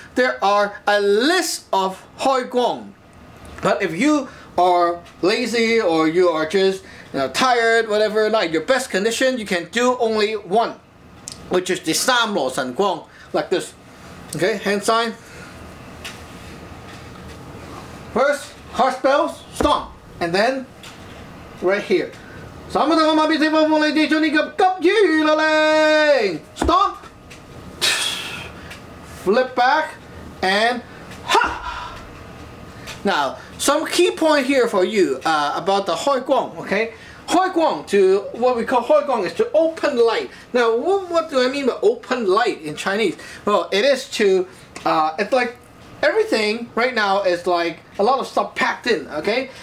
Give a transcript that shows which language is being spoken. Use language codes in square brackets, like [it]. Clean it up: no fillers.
[en] There are a list of Hoi Guang. But if you are lazy or you are just tired, whatever, not in your best condition, you can do only one, which is the 三羅神功, like this. Okay, hand sign. First,Heart spells, stomp, and then right here. [zh] 三羅神功乃是神功的一種，將你急急如律令 [en] stomp, flip back, and ha! Now, some key point here for you about the Hoi Guang, okay? Hoi Guang, to what we call Hoi Guang, is to open light. Now, what do I mean by open light in Chinese? Well, it is to, it's like,Everything right now is like a lot of stuff packed in, okay?